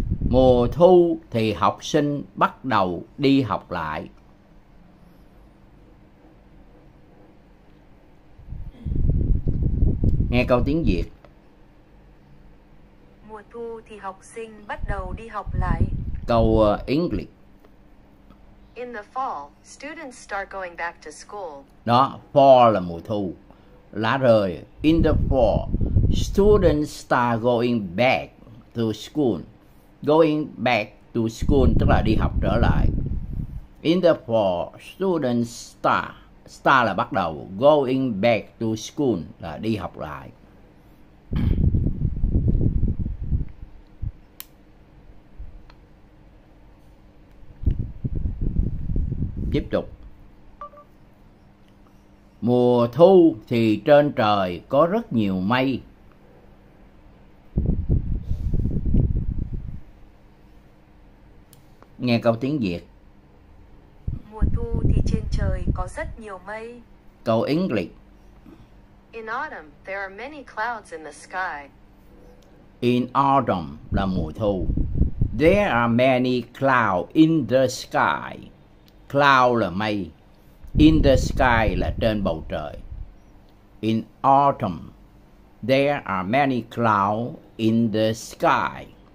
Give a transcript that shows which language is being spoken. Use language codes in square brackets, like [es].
[vi] Mùa thu thì học sinh bắt đầu đi học lại. Nghe câu tiếng Việt. Mùa thu thì học sinh bắt đầu đi học lại. Câu English. [en] In the fall, students start going back to school. [vi] Đó, fall là mùa thu. Lá rơi. [en] In the fall, students start going back to school. Going back to school [vi] tức là đi học trở lại. [en] In the fall, students start [vi] là bắt đầu. Going back to school là đi học lại. Tiếp tục. Mùa thu thì trên trời có rất nhiều mây. Nghe câu tiếng Việt. Mùa thu thì trên trời có rất nhiều mây. Câu English. [en] In autumn, there are many clouds in the sky. In autumn [vi] là mùa thu. [en] There are many clouds in the sky. Cloud là mây. In the sky [vi] là trên bầu trời. [en] In autumn, there are many clouds in the sky.